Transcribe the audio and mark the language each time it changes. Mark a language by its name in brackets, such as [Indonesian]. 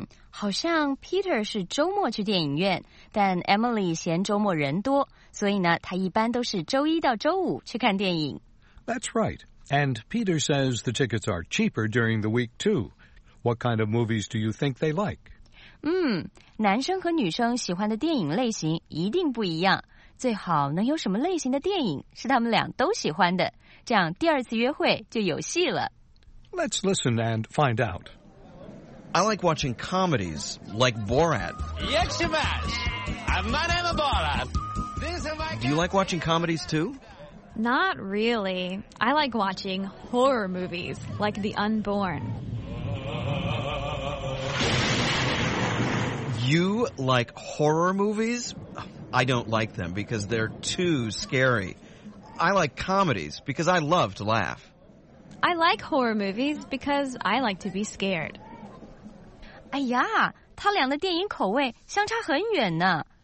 [Chinese] 好像 Peter 是周末去电影院，但 Emily 嫌周末人多，所以呢，他一般都是周一到周五去看电影。 [English] That's right. And Peter says the tickets are cheaper during the week, too. What kind of movies do you think they like? [Chinese] 男生和女生喜欢的电影类型一定不一样，最好能有什么类型的电影是他们俩都喜欢的，这样第二次约会就有戏了。 [English] Let's listen and find out. I like watching comedies like Borat. Yes, my name is Borat. Do you like watching comedies too? Not really. I like watching horror movies like The Unborn. You like horror movies? I don't like them because they're too scary. I like comedies because I love to laugh. I like horror movies because I like to be scared. [Chinese] 哎呀，他俩的电影口味相差很远呢。